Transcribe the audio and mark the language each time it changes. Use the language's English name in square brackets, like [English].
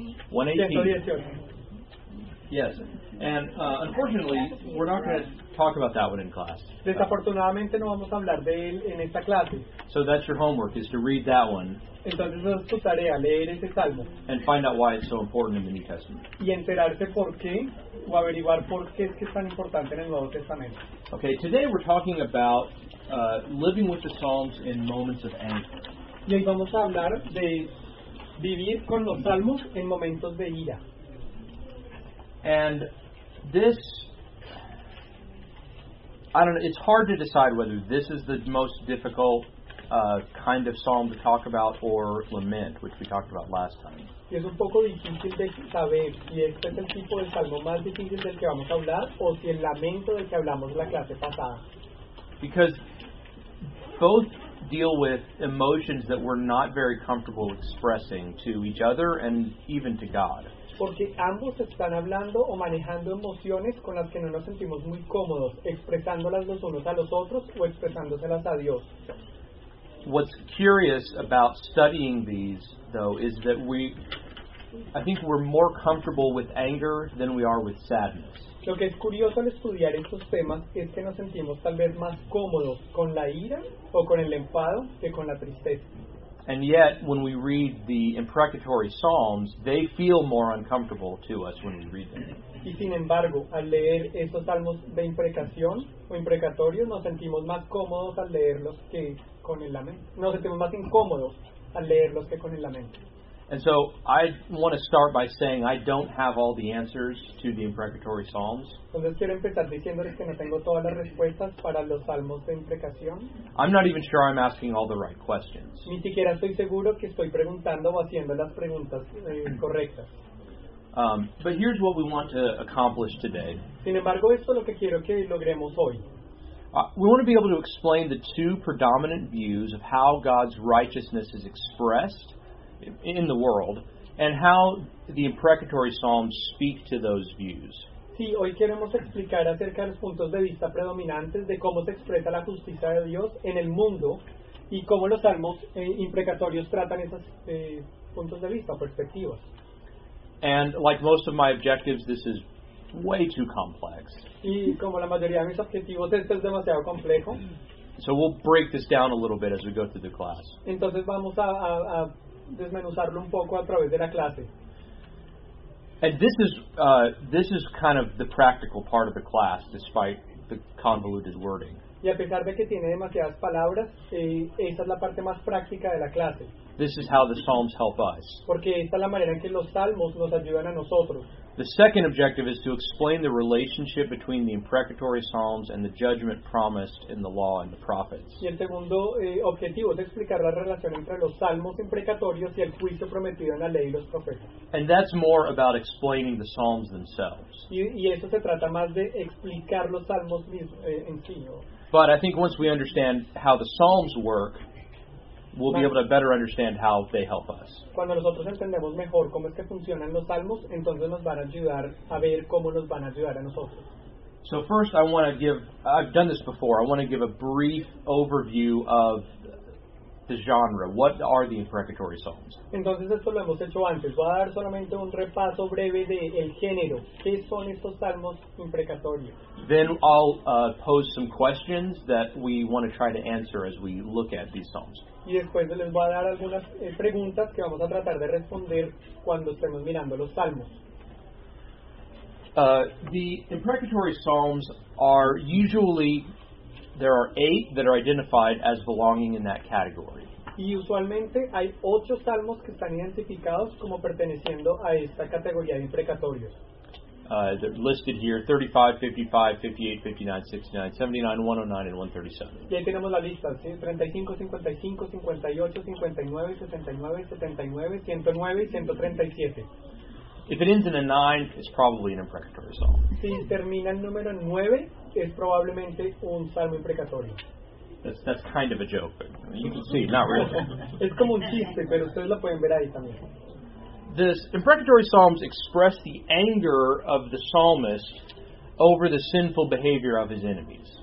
[English] 118. Yes. And unfortunately, we're not going to... talk about that one in class. [Spanish] Desafortunadamente no vamos a hablar de él en esta clase. [English] So that's your homework, is to read that one. [Spanish] Entonces esa es tu tarea, leer ese salmo. [English] And find out why it's so important in the New Testament. [Spanish] Y enterarse por qué, o averiguar por qué es que es tan importante en el Nuevo Testamento. [English] Okay, today we're talking about living with the Psalms in moments of anger. [Spanish] Y hoy vamos a hablar de vivir con los salmos en momentos de ira. [English] And this, I don't know, it's hard to decide whether this is the most difficult kind of psalm to talk about or lament, which we talked about last time. [Spanish] Es un poco difícil de saber si este es el tipo de salmo más difícil del que vamos a hablar o si el lamento del que hablamos en la clase pasada. [English] Because both deal with emotions that we're not very comfortable expressing to each other and even to God. [Spanish] Porque ambos están hablando o manejando emociones con las que no nos sentimos muy cómodos, expresándolas los unos a los otros o expresándoselas a Dios. [English] What's curious about studying these, though, is that I think we're more comfortable with anger than we are with sadness. [Spanish] Lo que es curioso al estudiar estos temas es que nos sentimos tal vez más cómodos con la ira o con el enfado que con la tristeza. [English] And yet, when we read the imprecatory psalms, they feel more uncomfortable to us when we read them. [Spanish] Y sin embargo, al leer esos salmos de imprecación o imprecatorios, nos sentimos más cómodos al leerlos que con el lamento. Nos sentimos más incómodos al leerlos que con el lamento. [English] And so, I want to start by saying I don't have all the answers to the imprecatory psalms. [Spanish] Entonces quiero empezar diciéndoles que no tengo todas las respuestas para los salmos de imprecación. [English] I'm not even sure I'm asking all the right questions. [Spanish] Ni siquiera estoy seguro que estoy preguntando o haciendo las preguntas correctas. [English] But here's what we want to accomplish today. [Spanish] Sin embargo, esto es lo que quiero que logremos hoy. [English] We want to be able to explain the two predominant views of how God's righteousness is expressed in the world, and how the imprecatory psalms speak to those views. [Spanish] Sí, hoy queremos explicar acerca de los puntos de vista predominantes de cómo se expresa la justicia de Dios en el mundo y cómo los salmos imprecatorios tratan esos puntos de vista, perspectivas. [English] And like most of my objectives, this is way too complex. [Spanish] Y como la mayoría de mis objetivos, esto es demasiado complejo. [English] So we'll break this down a little bit as we go through the class. [Spanish] Entonces vamos a desmenuzarlo un poco a través de la clase. [English] And this is kind of the practical part of the class, despite the convoluted wording. [Spanish] Y a pesar de que tiene demasiadas palabras, esa es la parte más práctica de la clase. [English] This is how the Psalms help us. [Spanish] Porque esta es la manera en que los salmos nos ayudan a nosotros. [English] The second objective is to explain the relationship between the imprecatory psalms and the judgment promised in the law and the prophets. [Spanish] Y el segundo objetivo es explicar la relación entre los salmos imprecatorios y el juicio prometido en la ley y los profetas. [English] And that's more about explaining the psalms themselves. [Spanish] Y eso se trata más de explicar los salmos en sí. [English] But I think once we understand how the psalms work, we'll be able to better understand how they help us. [Spanish] Cuando nosotros entendemos mejor cómo es que funcionan los salmos, entonces nos van a ayudar a ver cómo nos van a ayudar a nosotros. [English] So first I want to give, I've done this before, I want to give a brief overview of the genre. What are the imprecatory psalms? [Spanish] Entonces esto lo hemos hecho antes. Voy a dar solamente un repaso breve de el género. ¿Qué son estos salmos imprecatorios? [English] Then I'll pose some questions that we want to try to answer as we look at these psalms. [Spanish] Y después les voy a dar algunas preguntas que vamos a tratar de responder cuando estemos mirando los salmos. [English] The imprecatory psalms are usually, there are eight that are identified as belonging in that category. [Spanish] Y usualmente hay ocho salmos que están identificados como perteneciendo a esta categoría de imprecatorios. [English] They're listed here, 35, 55, 58, 59, 69, 79, 109, and 137. [Spanish] Y ahí tenemos la lista, ¿sí? 35, 55, 58, 59, 69, 79, 109, 137. [English] If it ends in a 9, it's probably an imprecatory psalm. [Spanish] Si termina el número 9, es probablemente un salmo imprecatorio. [English] That's kind of a joke, but you can see, not really. [Spanish] Es como un chiste, pero ustedes lo pueden ver ahí también. [English] The imprecatory psalms express the anger of the psalmist over the sinful behavior of his enemies.